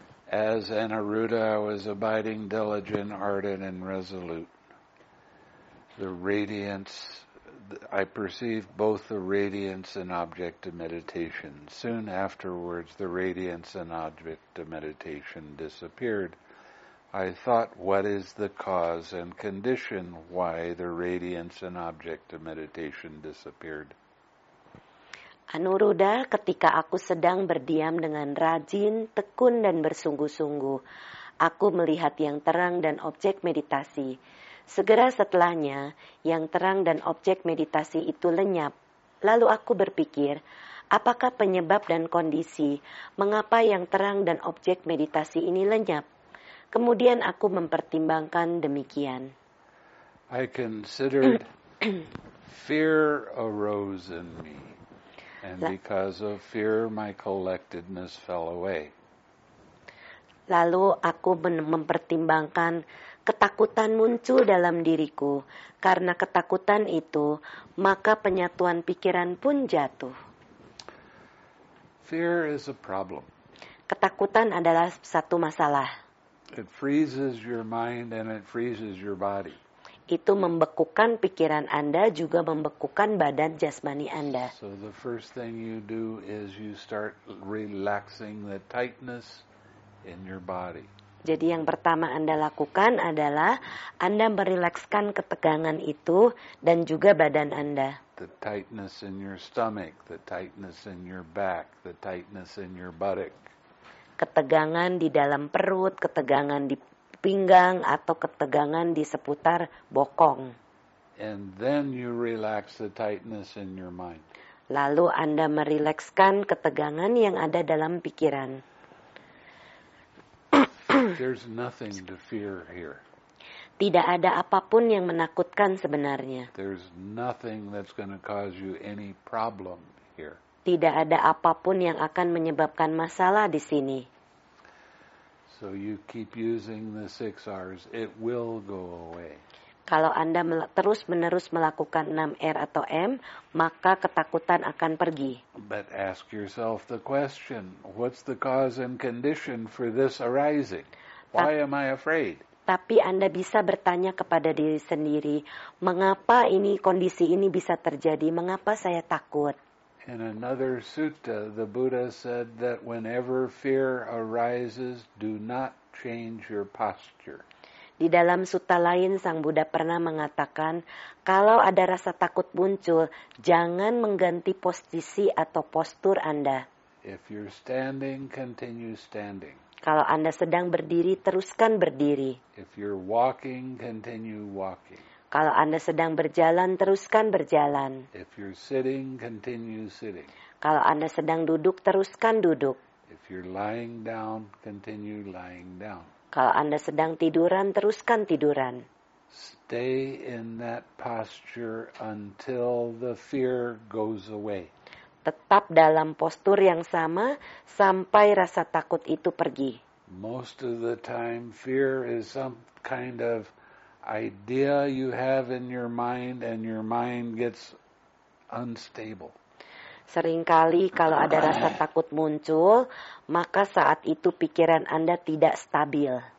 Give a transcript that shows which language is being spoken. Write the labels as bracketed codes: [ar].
[en] As Anuruddha was abiding diligent, ardent, and resolute, the radiance I perceived both the radiance and object of meditation. Soon afterwards, the radiance and object of meditation disappeared. I thought, what is the cause and condition why the radiance and object of meditation disappeared? [id] Anuruddha, ketika aku sedang berdiam dengan rajin, tekun, dan bersungguh-sungguh, aku melihat yang terang dan objek meditasi. Segera setelahnya, yang terang dan objek meditasi itu lenyap. Lalu aku berpikir, apakah penyebab dan kondisi mengapa yang terang dan objek meditasi ini lenyap? Kemudian aku mempertimbangkan demikian. [en] I considered fear arose in me, and because of fear my collectedness fell away. [id] Lalu aku mempertimbangkan ketakutan muncul dalam diriku. Karena ketakutan itu, maka penyatuan pikiran pun jatuh. [en] Fear is a problem. [id] Ketakutan adalah satu masalah. [en] It freezes your mind and it freezes your body. [id] Itu membekukan pikiran Anda, juga membekukan badan jasmani Anda. [en] So the first thing you do is you start relaxing the tightness in your body. [id] Jadi yang pertama Anda lakukan adalah Anda merilekskan ketegangan itu dan juga badan Anda. [en] The tightness in your stomach, the tightness in your back, the tightness in your buttock. [id] Ketegangan di dalam perut, ketegangan di pinggang, atau ketegangan di seputar bokong. [en] And then you relax the tightness in your mind. [id] Lalu Anda merilekskan ketegangan yang ada dalam pikiran. [en] There's nothing to fear here. [id] Tidak ada apapun yang menakutkan sebenarnya. [en] There's nothing that's going to cause you any problem here. [id] Tidak ada apapun yang akan menyebabkan masalah di sini. [en] So you keep using the six R's, it will go away. [id] Kalau Anda terus-menerus melakukan 6 R atau M, maka ketakutan akan pergi. [en] But ask yourself the question, what's the cause and condition for this arising? Why am I afraid? [id] Tapi Anda bisa bertanya kepada diri sendiri, mengapa ini kondisi ini bisa terjadi? Mengapa saya takut? [en] In another sutta, the Buddha said that whenever fear arises, do not change your posture. [id] Di dalam sutta lain, Sang Buddha pernah mengatakan, kalau ada rasa takut muncul, jangan mengganti posisi atau postur Anda. [en] If you're standing, continue standing. [id] Kalau Anda sedang berdiri, teruskan berdiri. [en] If you're walking, continue walking. [id] Kalau Anda sedang berjalan, teruskan berjalan. [en] If you're sitting, continue sitting. [id] Kalau Anda sedang duduk, teruskan duduk. [en] If you're lying down, continue lying down. [id] Kalau Anda sedang tiduran, teruskan tiduran. [en] Stay in that posture until the fear goes away. [id] Tetap dalam postur yang sama sampai rasa takut itu pergi. [en] Most of the time, fear is some kind of idea you have in your mind and your mind gets unstable. [id] Seringkali kalau ada rasa takut muncul, maka saat itu pikiran Anda tidak stabil.